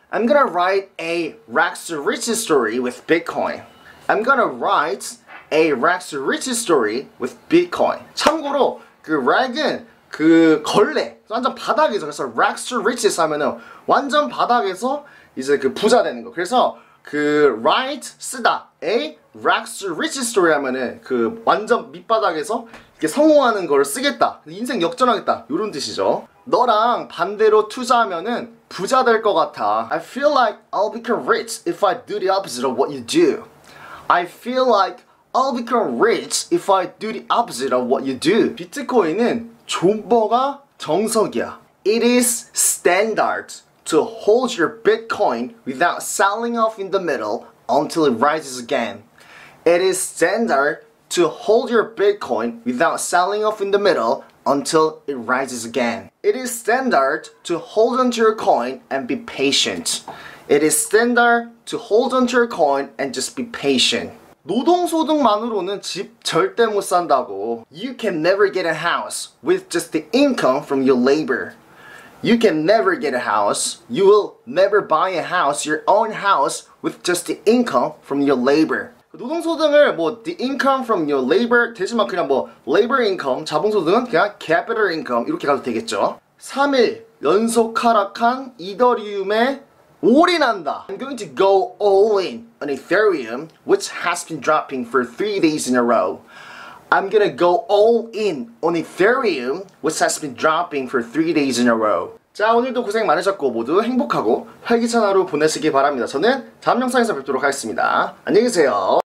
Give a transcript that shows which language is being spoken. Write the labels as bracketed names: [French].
[English] I'm gonna write a rags to riches story with Bitcoin. I'm gonna write a rags to riches story with Bitcoin. [Korean] 참고로 그 rag은 그 걸레, 완전 바닥에서. 그래서 [English] rags to riches [Korean] 하면은 완전 바닥에서 이제 그 부자 되는 거. 그래서 그 write 쓰다 [English] a rags to riches story [Korean] 하면은 그 완전 밑바닥에서 이렇게 성공하는 걸 쓰겠다, 인생 역전하겠다, 이런 뜻이죠. 너랑 반대로 투자하면은 부자 될 것 같아. [English] I feel like I'll become rich if I do the opposite of what you do. I feel like I'll become rich if I do the opposite of what you do. [Korean] 비트코인은 존버가 정석이야. [English] It is standard to hold your Bitcoin without selling off in the middle until it rises again. It is standard to hold your Bitcoin without selling off in the middle until it rises again. It is standard to hold onto your coin and be patient. It is standard to hold onto your coin and just be patient. [Korean] 노동소득만으로는 집 절대 못 산다고. [English] You can never get a house with just the income from your labor. You can never get a house. You will never buy a house, your own house, with just the income from your labor. [Korean] 노동소득을 뭐 [English] the income from your labor [Korean] 대신만 그냥 뭐 labor income, 자본소득은 그냥 capital income 이렇게 가도 되겠죠. 3일 연속 하락한 이더리움에 올인한다. [English] I'm going to go all in on Ethereum, which has been dropping for 3 days in a row. I'm gonna go all in on Ethereum, which has been dropping for 3 days in a row. [Korean] 자, 오늘도 고생 많으셨고 모두 행복하고 활기찬 하루 보내시기 바랍니다. 저는 다음 영상에서 뵙도록 하겠습니다. 안녕히 계세요.